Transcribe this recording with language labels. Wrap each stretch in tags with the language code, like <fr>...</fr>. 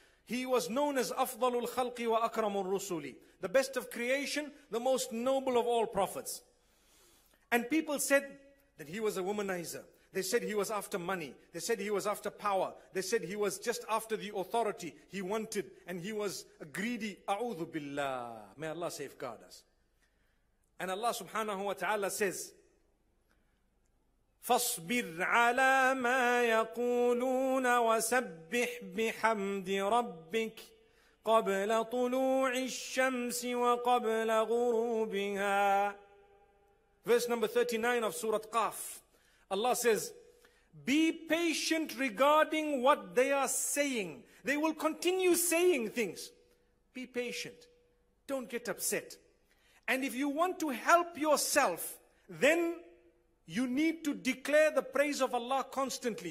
<en>He was known as</en> <ar>afdalul khalqi wa akramur rusuli,</ar> <en>the best of creation, the most noble of all prophets. And people said that he was a womanizer. They said he was after money. They said he was after power. They said he was just after the authority he wanted. And he was a greedy.</en> <ar>A'udhu billah.</ar> <en>May Allah safeguard us.</en> <ar>And Allah subhanahu wa ta'ala says, فَاصْبِرْ عَلَى مَا يَقُولُونَ وَسَبِّحْ بِحَمْدِ رَبِّكَ قَبْلَ طُلُوعِ الشَّمْسِ وَقَبْلَ غُرُوبِهَا.</ar> <en>Verse number 39 of Surah Qaf. Allah says, be patient regarding what they are saying. They will continue saying things. Be patient. Don't get upset. And if you want to help yourself, then you need to declare the praise of Allah constantly.</en>